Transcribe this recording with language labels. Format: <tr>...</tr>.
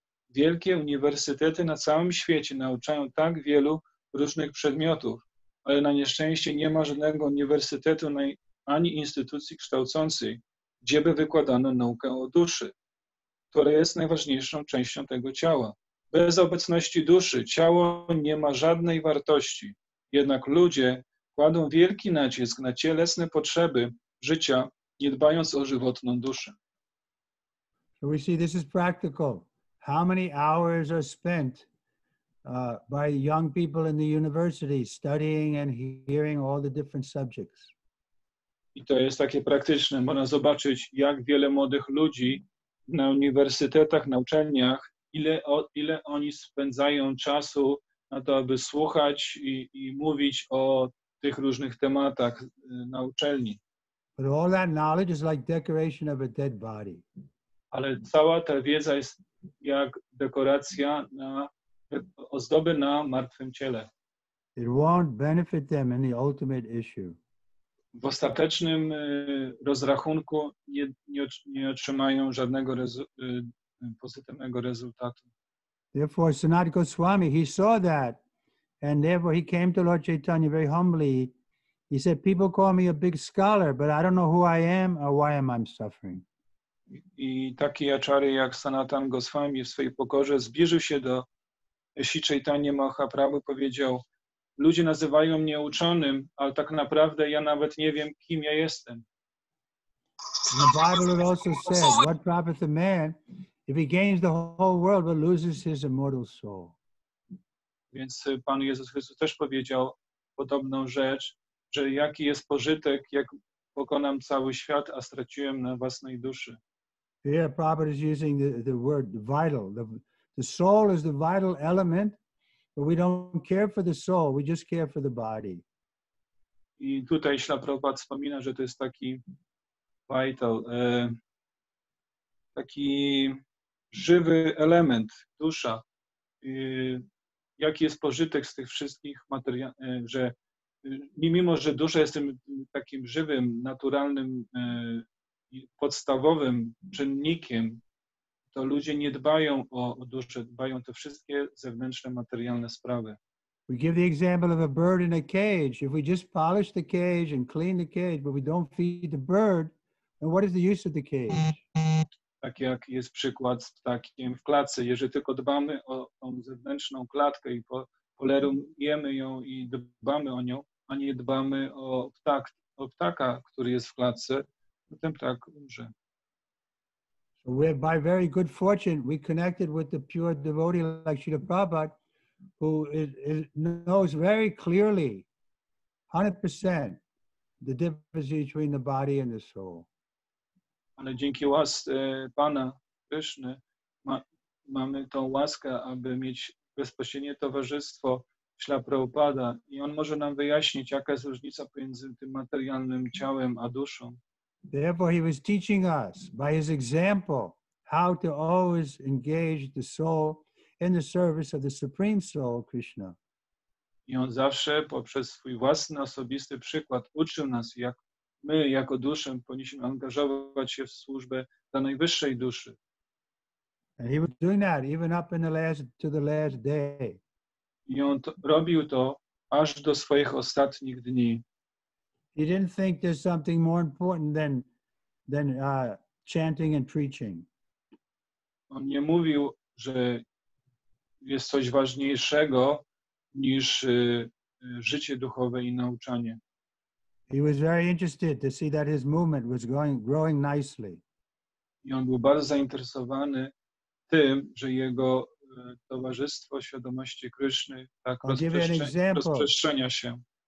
<pl>Wielkie uniwersytety na całym świecie nauczają tak wielu różnych przedmiotów, ale na nieszczęście nie ma żadnego uniwersytetu ani instytucji kształcącej, gdzie by wykładano naukę o duszy, która jest najważniejszą częścią tego ciała. Bez obecności duszy ciało nie ma żadnej wartości, jednak ludzie kładą wielki nacisk na cielesne potrzeby życia, nie dbając o żywotną duszę.</pl> <en>So we see this is practical. How many hours are spent by young people in the university studying and hearing all the different subjects?</en> <pl>I to jest takie praktyczne. Można zobaczyć, jak wiele młodych ludzi na uniwersytetach, na uczelniach, ile oni spędzają czasu na to, aby słuchać i mówić o tych różnych tematach na uczelni.</pl> <en>But all that knowledge is like decoration of a dead body.</en> <pl>Ale cała ta wiedza jest jak dekoracja na ozdoby na martwym ciele.</pl> <en>It won't benefit them in the ultimate issue.</en> <pl>W ostatecznym rozrachunku nie otrzymają żadnego pozytywnego rezultatu.</pl> <en>Therefore, Sanat Goswami, he saw that, and therefore he came to Lord Chaitanya very humbly. He said, people call me a big scholar, but I don't know who I am or why am I suffering.</en> <pl>I taki acharya jak Sanatan Goswami w swojej pokorze zbliżył się do Śri Chaitanya Mahaprabhu, powiedział: ludzie nazywają mnie uczonym, ale tak naprawdę ja nawet nie wiem, kim ja jestem.</pl> <en>In the Bible it also says, what profit a man if he gains the whole world but loses his immortal soul.</en> <pl>Więc Pan Jezus Chrystus też powiedział podobną rzecz, że jaki jest pożytek, jak pokonam cały świat, a straciłem na własnej duszy.</pl> <en>Yeah, Prabhupada is using the word vital. The soul is the vital element, but we don't care for the soul, we just care for the body.</en> <pl>I tutaj Śla Prabhupada wspomina, że to jest taki vital, taki żywy element, dusza. Jaki jest pożytek z tych wszystkich materiałów, że mimo że dusza jest tym takim żywym, naturalnym, podstawowym czynnikiem, to ludzie nie dbają o duszę, dbają te wszystkie zewnętrzne, materialne sprawy.</pl> <en>We give the example of a bird in a cage. If we just polish the cage and clean the cage, but we don't feed the bird, then what is the use of the cage?</en> <pl>Tak jak jest przykład z ptakiem w klatce. Jeżeli tylko dbamy o tą zewnętrzną klatkę i polerujemy ją i dbamy o nią, a nie dbamy o ptaka, który jest w klatce, to ten ptak umrze.</pl> <en>We're by very good fortune, we connected with the pure devotee like Srila Prabhupada, who knows very clearly, 100%, the difference between the body and the soul.</en> <pl>Ale dzięki łasce Pana Kryszny mamy tą łaskę, aby mieć bezpośrednie towarzystwo Śla Prabhupada, i on może nam wyjaśnić, jaka jest różnica pomiędzy tym materialnym ciałem a duszą.</pl> <en>Therefore he was teaching us by his example how to always engage the soul in the service of the Supreme Soul, Krishna.</en> <pl>I on zawsze poprzez swój własny, osobisty przykład uczył nas, jak my jako duszę powinniśmy angażować się w służbę dla najwyższej duszy.</pl> <en>And he was doing that even up in the last day.</en> <pl>I on robił to aż do swoich ostatnich dni.</pl> <en>He didn't think there's something more important than chanting and preaching.</en> <pl>On nie mówił, że jest coś ważniejszego niż życie duchowe i nauczanie.</pl> <en>He was very interested to see that his movement was growing nicely.</en> <pl>I on był bardzo zainteresowany tym, że jego towarzystwo świadomości Kryszny tak rozprzestrzenia się.</pl>